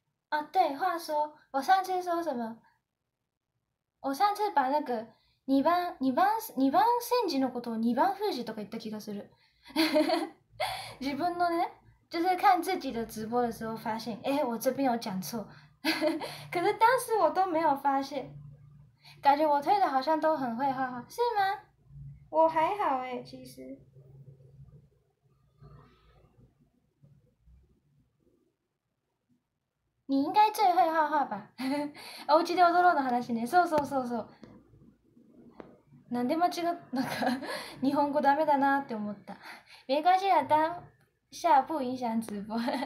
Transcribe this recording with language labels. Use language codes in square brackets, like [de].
[zh] 啊，对，话说我上次说什么我上次把那个 [ja] 2番煎じのことを2番封じとか言った気がする。自分のね、 [zh] 就是看自己的直播的时候发现，哎，我这边有讲错，可是当时我都没有发现，感觉我推的好像都很会画画，是吗？我还好哎，其实。你应该最会画画吧？ [ja] おうちで踊ろうの話ね。そうそうそうそう。なんで間違った？なんか、日本語ダメだなって思った。 [zh] 没关系啦，当下不影响直播。